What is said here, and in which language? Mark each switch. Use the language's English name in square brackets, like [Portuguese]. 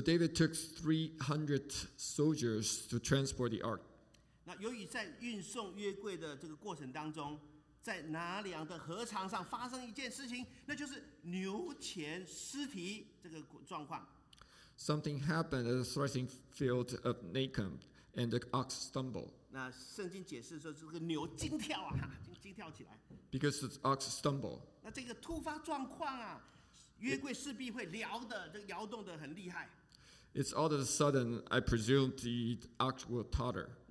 [English] David took 300 soldiers to transport the ark. [Chinese] 那由于在运送约柜的这个过程当中，在拿粮的禾场上发生一件事情，那就是牛前失蹄这个状况。 [English] Something happened at the threshing field of Nacon, and the ox stumbled. [Chinese] 那圣经解释说，这个牛惊跳啊，惊跳起来。 [English] Because the ox stumbled. [Chinese] 那这个突发状况啊，约柜势必会摇的，这个摇动的很厉害。 [English] It's all of a sudden, I presume the ox will totter.